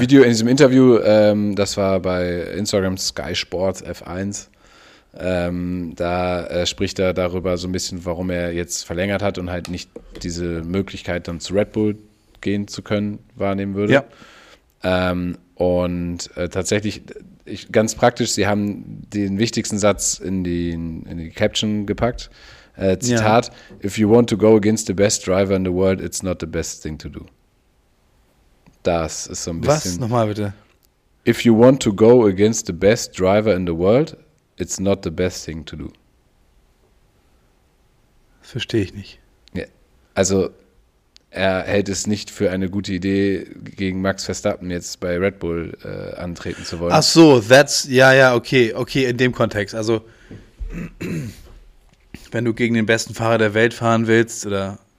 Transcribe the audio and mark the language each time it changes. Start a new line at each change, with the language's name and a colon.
German: Video, in diesem Interview, das war bei Instagram Sky Sports F1, da spricht er darüber so ein bisschen, warum er jetzt verlängert hat und halt nicht diese Möglichkeit, dann zu Red Bull gehen zu können, wahrnehmen würde. Ja. Und tatsächlich, ganz praktisch, sie haben den wichtigsten Satz in die Caption gepackt. Ja. Zitat:
English: If you want to go against the best driver in the world, it's not the best thing to do.
German: Das ist so ein Was? bisschen. Nochmal bitte.
English: If you want to go against the best driver in the world, it's not the best thing to do.
German: Das verstehe ich nicht. Also, er hält es nicht für eine gute Idee, gegen Max Verstappen jetzt bei Red Bull antreten zu Ach wollen. so, that's, ja, okay, in dem Kontext. Also, wenn du gegen den besten Fahrer der Welt fahren willst, oder, ne,